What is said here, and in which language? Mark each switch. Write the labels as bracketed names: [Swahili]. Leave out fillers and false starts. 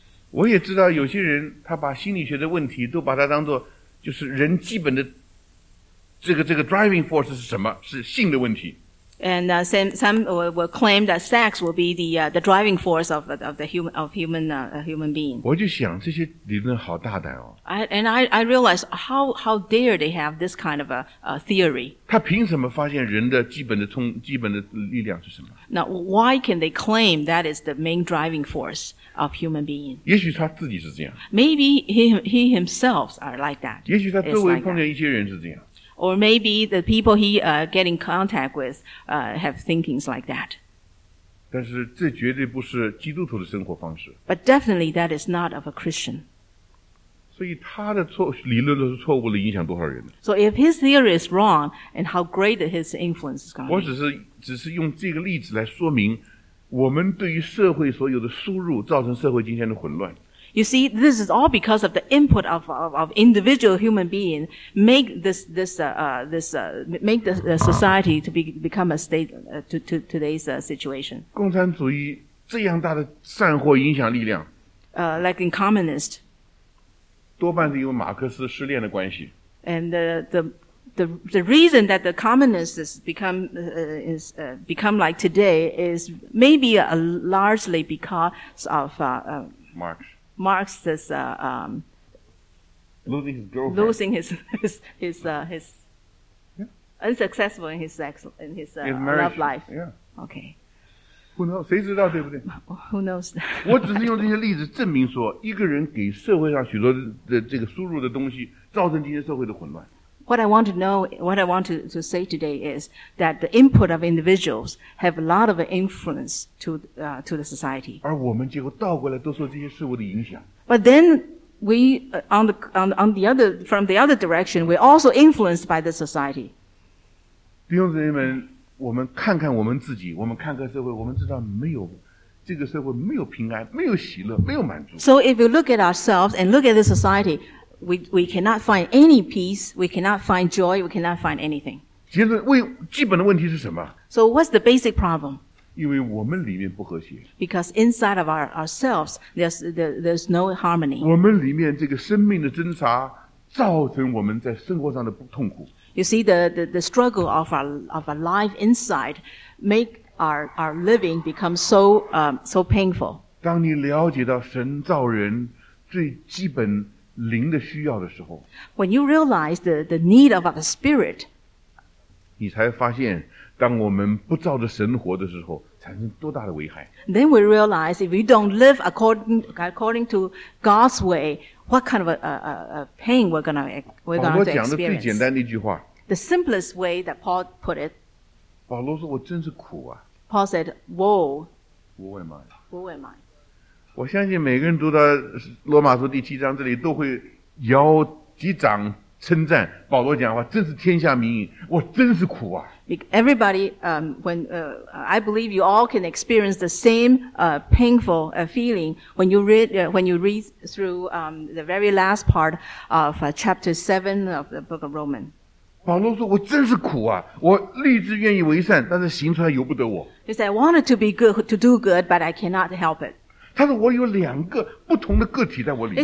[Chinese] 我也知道有些人他把心理学的问题都把它当作就是人基本的这个 [English] driving force [Chinese] 是什么是性的问题 [English] and some will claim that sex will be the driving force of the human being [Chinese] 我就想这些理论好大胆哦 [English] I realize how dare they have this kind of a theory [Chinese] 他凭什么发现人的基本的力量是什么 [English] now why can they claim that is the main driving forceof human being. [Chinese] 也许他自己是这样。 [English] Maybe he himself are like that. [Chinese] 也许他周围碰见一些人是这样。 [English] Or maybe the people he get in contact with have thinkings like that. [Chinese] 但是这绝对不是基督徒的生活方式。 [English] But definitely that is not of a Christian. [Chinese] 所以他的理论都是错误的影响多少人呢 [English] So if his theory is wrong, and how great his influence is going to be. [Chinese] 我只是用这个例子来说明我们对于社会所有的输入造成社会今天的混乱。 [English] You see, this is all because of the input of individual human being make the society to become a state, to today's situation. [Chinese] 共产主义这样大的散货影响力量。 [English] Like in communist. [Chinese] 多半是因为马克思失恋的关系。 [English] And the reason that the communists become like today is maybe largely because of Marx's losing his girlfriend, losing his yeah. unsuccessful in his marriage, love life. Yeah. Okay. Who knows? [Chinese] 谁知道对不对 [English] ？Who knows? [Chinese] 我只是用这些例子证明说，一个人给社会上许多的这个输入的东西，造成今天社会的混乱。 [English] What I want to say today is that the input of individuals have a lot of influence to the society. [Chinese] 而我们结果倒过来都受这些事物的影响。 [English] But then we from the other direction, we're also influenced by the society. [Chinese] 弟兄姊妹们，我们看看我们自己，我们看看社会，我们知道没有。这个社会没有平安，没有喜乐，没有满足。 [English] So if you look at ourselves and look at the society, we cannot find any peace, we cannot find joy, we cannot find anything. [Chinese] 结论为基本的问题是什么 [English] ？So what's the basic problem? [Chinese] 因为我们里面不和谐。 [English] Because inside of ourselves, there's no harmony. [Chinese] 我们里面这个生命的挣扎，造成我们在生活上的痛苦。 [English] You see the struggle of our life inside make our living become so painful. [Chinese] 当你了解到神造人最基本灵的需要的时候 [English] ，When you realize the need of our spirit， [Chinese] 你才发现，当我们不照着神活的时候，产生多大的危害。 [English] Then we realize if we don't live according to God's way, what kind of a pain we're going to experience. [Chinese] 保罗讲的最简单的一句话。 [English] The simplest way that Paul put it. [Chinese] 保罗说我真是苦啊。 [English] Paul said, woe. Woe am I. Woe am I. [Chinese] 我相信每个人读到罗马书第七章这里都会摇几掌称赞保罗讲话真是天下名我真是苦啊。 [English] Everybody, I believe you all can experience the same, painful, feeling when you read through, the very last part of, chapter 7 of the book of Romans. [Chinese] 保罗说我真是苦啊我立志愿意为善但是行出来由不得我。 [English] He said, I wanted to be good, to do good, but I cannot help it. [Chinese] 他说我有两个不同的个体在我里面。